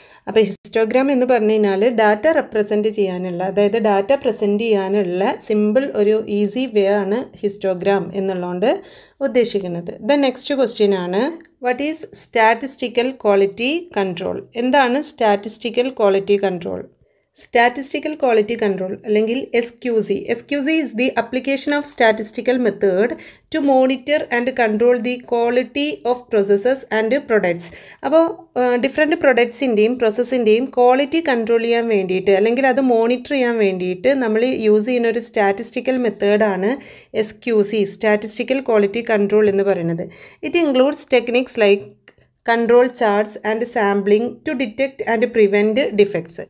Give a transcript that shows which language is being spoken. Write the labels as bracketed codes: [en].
[ml] അപ്പോൾ ഹിസ്റ്റോഗ്രാം എന്ന് പറഞ്ഞു കഴിഞ്ഞാൽ ഡാറ്റ റെപ്രസെൻറ്റ് ചെയ്യാനുള്ള, അതായത് ഡാറ്റ പ്രസൻറ്റ് ചെയ്യാനുള്ള സിമ്പിൾ ഒരു ഈസി വേ ആണ് ഹിസ്റ്റോഗ്രാം എന്നുള്ളതുകൊണ്ട് ഉദ്ദേശിക്കുന്നത്. [en] The next question ആണ്, what is statistical quality control? [ml] എന്താണ് statistical quality control? [en] Statistical quality control, അല്ലെങ്കിൽ SQC. SQC is the application of statistical method to monitor and control the quality of processes and products. [ml] അപ്പോൾ different പ്രൊഡക്ട്സിൻ്റെയും പ്രോസസ്സിൻ്റെയും quality control ചെയ്യാൻ വേണ്ടിയിട്ട് അല്ലെങ്കിൽ അത് monitor ചെയ്യാൻ വേണ്ടിയിട്ട് നമ്മൾ യൂസ് ചെയ്യുന്ന ഒരു സ്റ്റാറ്റിസ്റ്റിക്കൽ മെത്തേഡാണ് SQC, സ്റ്റാറ്റിസ്റ്റിക്കൽ ക്വാളിറ്റി കൺട്രോൾ എന്ന് പറയുന്നത്. [en] It includes techniques like control charts and sampling to detect and prevent defects.